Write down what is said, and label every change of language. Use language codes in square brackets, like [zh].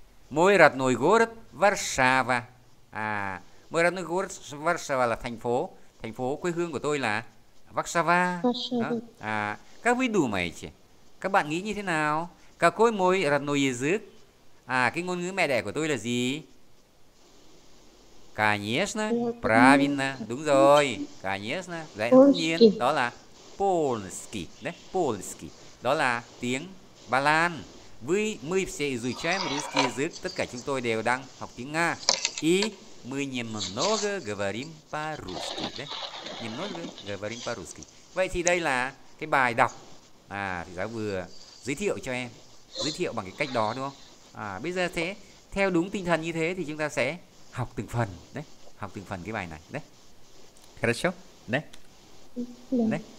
[ru] Мой родной город Варшава. А, мой родной город Варшава [vi] là thành phố. Thành phố quê hương của tôi là Warsawa. Đó. À, các vị [ru] думаете? [vi] Các bạn nghĩ như thế nào? [ru] Какой мой родной язык? [vi] À, cái ngôn ngữ mẹ đẻ của tôi là gì? [ru] Конечно, правильно. [vi] Đúng rồi. [ru] Конечно, [vi] dễ nhiên. Đó là Polski. Đấy, Polski. Đó là tiếng Ba Lan. [ru] Вы, мы все изучаем русский язык. [vi] Tất cả chúng tôi đều đang học tiếng Nga. [ru] И мы немного говорим по-русски. [vi] Đấy. [ru] Немного говорим по-русски. [vi] Vậy thì đây là cái bài đọc. À, thì giáo vừa giới thiệu cho em. Giới thiệu bằng cái cách đó đúng không? À, bây giờ thế, theo đúng tinh thần như thế thì chúng ta sẽ học từng phần. Đấy. Học từng phần cái bài này. Đấy. [ru] Хорошо? [vi] Đấy. Đấy.